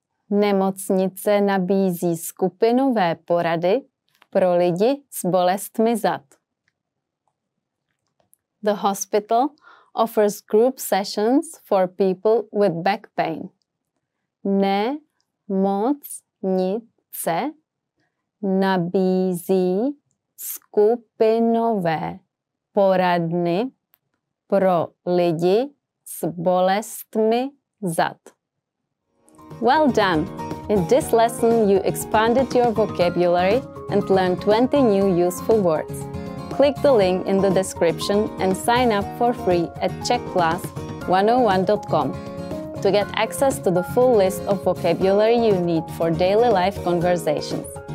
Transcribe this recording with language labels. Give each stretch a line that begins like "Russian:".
Czech: Nemocnice nabízí skupinové porady pro lidi s bolestmi zad.
English: The hospital offers group sessions for people with back pain. Nemocnice.
Czech: Nabídnice nabízí skupinové poradny pro lidi s bolestmi zad.
English: Well done! In this lesson, you expanded your vocabulary and learned 20 new useful words. Click the link in the description and sign up for free at czechclass101.com to get access to the full list of vocabulary you need for daily life conversations.